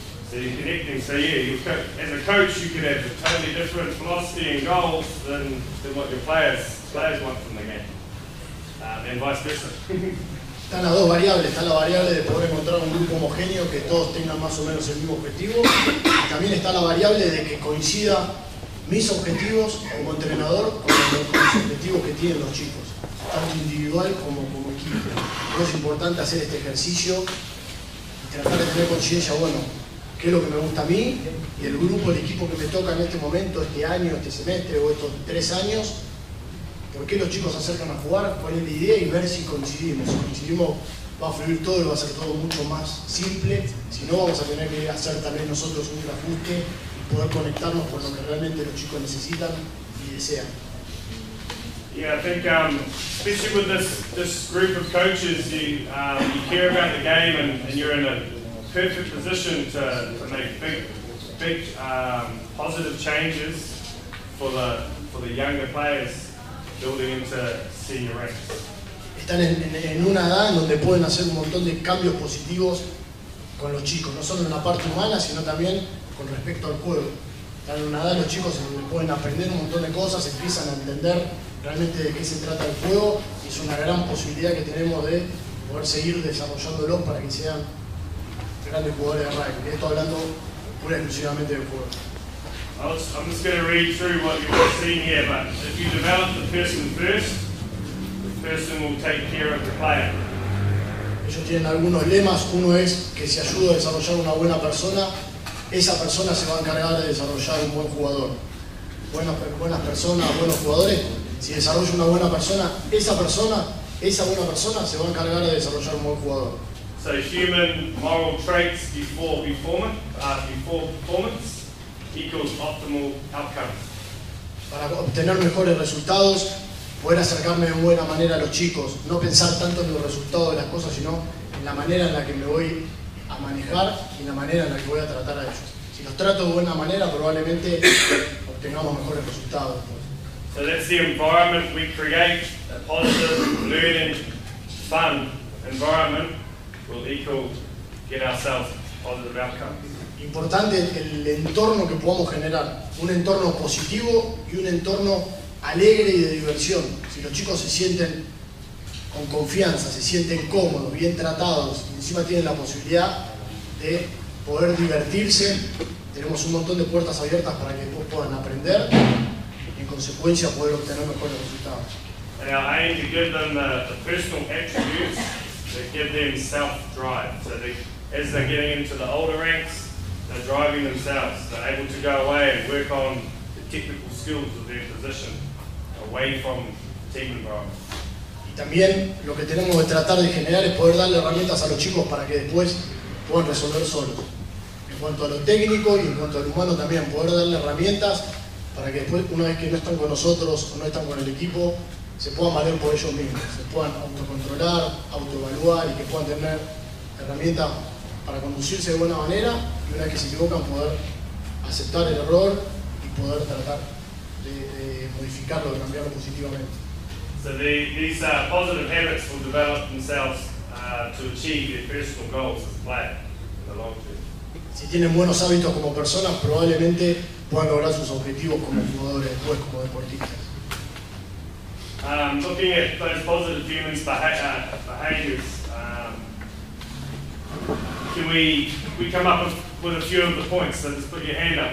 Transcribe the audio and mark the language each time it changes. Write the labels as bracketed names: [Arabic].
[English] connecting, so yeah, you've got, as a coach you can have a totally different philosophy and goals than what your players want from the game, and vice versa. [Spanish] Están las dos variables, está la variable de poder encontrar un grupo homogéneo que todos tengan más o menos el mismo objetivo, y también está la variable de que coincida mis objetivos como entrenador con los objetivos que tienen los chicos, tanto individual como equipo. No es importante hacer este ejercicio y tratar de tener conciencia, bueno, qué es lo que me gusta a mí y el grupo, el equipo que me toca en este momento, este año, este semestre o estos tres años, por qué los chicos se acercan a jugar, cuál es la idea y ver si coincidimos. Si coincidimos va a fluir todo y va a ser todo mucho más simple, si no vamos a tener que hacer también nosotros un ajuste y poder conectarnos con lo que realmente los chicos necesitan y desean. [English] Yeah, I think especially with this group of coaches, you care about the game and you're in a perfect position to make big positive changes for the younger players building into senior ranks. [Spanish] Están en una edad en donde pueden hacer un montón de cambios positivos con los chicos, no solo en la parte humana, sino también con respecto al juego. Están en una edad los chicos en donde pueden aprender un montón de cosas, empiezan a entender realmente de qué se trata el juego, y es una gran posibilidad que tenemos de poder seguir desarrollándolos para que sean grandes jugadores de rugby. Esto hablando pura y exclusivamente del juego. [English] I'm just going to read through what you've seen here, but if you develop the person first, the person will take care of the player. [Spanish] Ellos tienen algunos lemas. Uno es que si ayudo a desarrollar una buena persona, esa persona se va a encargar de desarrollar un buen jugador. Buenas personas, buenos jugadores. Si desarrollo una buena persona, esa buena persona se va a encargar de desarrollar un buen jugador. [English] So human moral traits before performance equals optimal outcomes. [Spanish] Para obtener mejores resultados, poder acercarme de buena manera a los chicos, no pensar tanto en los resultados de las cosas, sino en la manera en la que me voy a manejar y en la manera en la que voy a tratar a ellos. Si los trato de buena manera, probablemente obtengamos mejores resultados. [English] So that's the environment we create, a positive, learning, fun environment will equal get ourselves positive outcomes. [Spanish] Importante el entorno que podamos generar, un entorno positivo y un entorno alegre y de diversión. Si los chicos se sienten con confianza, se sienten cómodos, bien tratados, y encima tienen la posibilidad de poder divertirse, tenemos un montón de puertas abiertas para que después puedan aprender y en consecuencia poder obtener mejores resultados. [English] And our aim to give them the personal attributes that give them self-drive. So as they're getting into the older ranks, they're driving themselves. They're able to go away and work on the technical skills of their position away from the team environment. [Spanish] También lo que tenemos que tratar de generar es poder darle herramientas a los chicos para que después puedan resolver solos. En cuanto a lo técnico y en cuanto al humano también, poder darle herramientas para que después, una vez que no están con nosotros o no están con el equipo, se puedan valer por ellos mismos, se puedan autocontrolar, autoevaluar y que puedan tener herramientas para conducirse de buena manera y una vez que se equivocan poder aceptar el error y poder tratar de modificarlo, de cambiarlo positivamente. [English] So these positive habits will develop themselves to achieve their personal goals as a player in the long term. [Spanish] Si tienen buenos hábitos como personas, probablemente puedan lograr sus objetivos como jugadores después, como deportistas. [English] Looking at those positive human behaviors, can we come up with a few of the points? So just put your hand up.